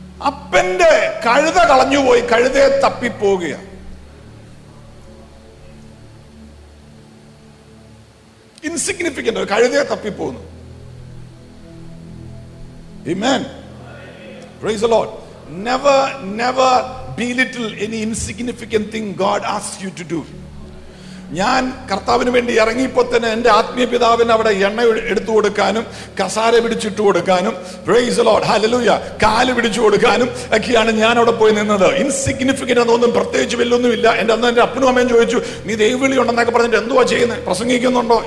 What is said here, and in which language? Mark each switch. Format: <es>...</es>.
<ml>അപ്പന്റെ കഴുത കളഞ്ഞുപോയി, കഴുതയെ തപ്പിപ്പോകുകയാണ്. ഇൻസിഗ്നിഫിക്കന്റ്, ഒരു കഴുതയെ തപ്പിപ്പോകുന്നു.</ml> <en>Amen. Praise the Lord. Never belittle any insignificant thing God asks you to do.</en> <ml>ഞാൻ കർത്താവിന് വേണ്ടി ഇറങ്ങിയപ്പോൾ തന്നെ എന്റെ ആത്മീയ പിതാവിന് അവിടെ എണ്ണ എടുത്തു കൊടുക്കാനും കസാര പിടിച്ചിട്ട് കൊടുക്കാനും, പ്രൈസ് ലോർഡ് ഹല്ലേലൂയ, കാല് പിടിച്ചു കൊടുക്കാനും ഒക്കെയാണ് ഞാൻ അവിടെ പോയി നിന്നത്. ഇൻസിഗ്നിഫിക്കന്റ് എന്നൊന്നും പ്രത്യേകിച്ച് വലിയൊന്നുമില്ല. എന്റെ അന്ന് എന്റെ അപ്പനും അമ്മയും ചോദിച്ചു, നീ ദൈവവിളി ഉണ്ടെന്നൊക്കെ പറഞ്ഞിട്ട് എന്തുവാ ചെയ്യുന്നത്, പ്രസംഗിക്കുന്നുണ്ടോ?</ml>